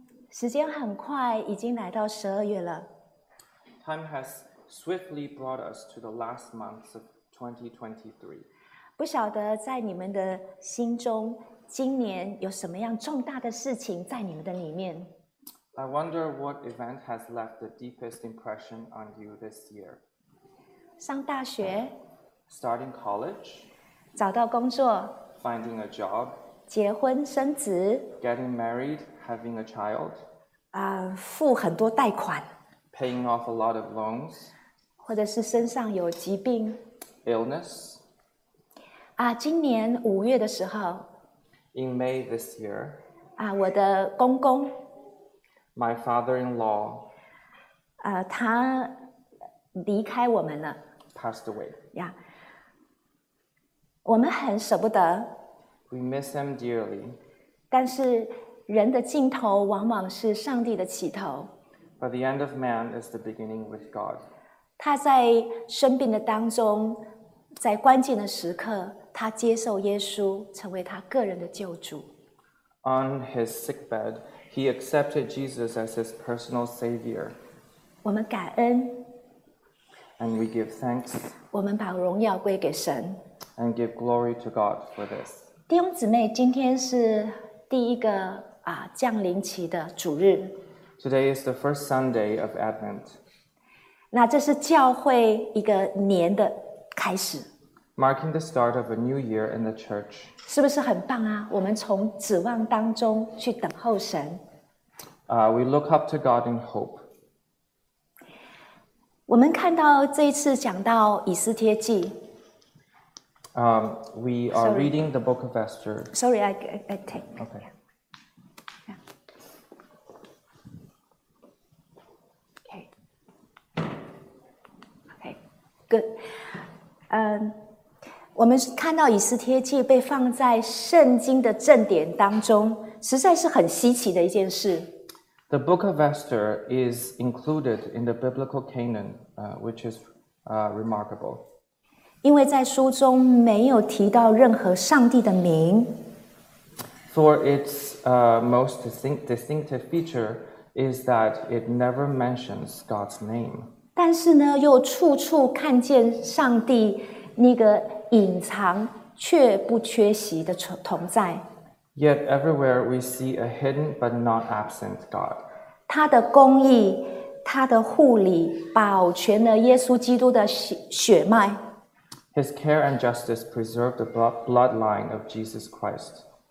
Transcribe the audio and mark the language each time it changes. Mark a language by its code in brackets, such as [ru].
[zh] 时间很快，已经来到十二月了。 [en] Time has swiftly brought us to the last months of 2023. [zh] 不晓得在你们的心中，今年有什么样重大的事情在你们的里面 [en] ？I wonder what event has left the deepest impression on you this year. [zh] 上大学 [en] ，starting college， [zh] 找到工作 [en] ，finding a job， [zh] 结婚生子 [en] ，getting married， having a child， [zh] 付很多贷款 [en] ，paying off a lot of loans， [zh] 或者是身上有疾病 [en] ，illness。 [zh] 今年五月的时候 [en] ，In May this year， [zh] 我的公公 [en] ，My father-in-law， [zh] 他离开我们了 [en] ，Passed away， [zh] 呀、 [en] yeah. [zh] ，我们很舍不得 [en] ，We miss him dearly， [zh] 但是人的尽头往往是上帝的起头 [en] ，But the end of man is the beginning with God， [zh] 他在生病的当中，在关键的时刻。他接受耶稣成为他个人的救主。 [en] On his sick bed, he accepted Jesus as his personal savior. [zh] 我们感恩。 [en] And we give thanks. [zh] 我们把荣耀归给神。 [en] And give glory to God for this. [zh] 弟兄姊妹，今天是第一个降临期的主日。 [en] Today is the first Sunday of Advent. [zh] 那这是教会一个年的开始。 [en] Marking the start of a new year in the church. [zh] 是不是很棒啊？我们从指望当中去等候神。 [en] We look up to God in hope. [zh] 我们看到这一次讲到以斯帖记。 [en] We are reading the book of Esther. Sorry, I take. Okay. Yeah. [zh] 我们看到以斯帖记被放在圣经的正典当中，实在是很稀奇的一件事。 [en] The book of Esther is included in the biblical canon, which is remarkable. [zh] 因为在书中没有提到任何上帝的名。 [en] For its most distinctive feature is that it never mentions God's name. [zh] 但是呢，又处处看见上帝那个。隐藏却不缺席的同在。 [en] Yet everywhere we see a hidden but not absent God. [zh] 他的公义，他的护理，保全了耶稣基督的血脉。 [en] His care and justice preserved the bloodline of Jesus Christ.